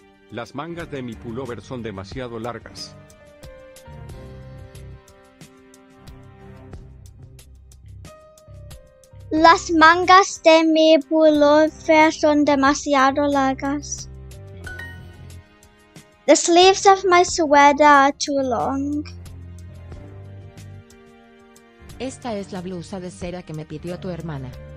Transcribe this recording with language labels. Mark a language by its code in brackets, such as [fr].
[es] Las mangas de mi pullover son demasiado largas. Las mangas de mi pullover son demasiado largas. [en] The sleeves of my sweater are too long. [es] Esta es la blusa de seda que me pidió tu hermana.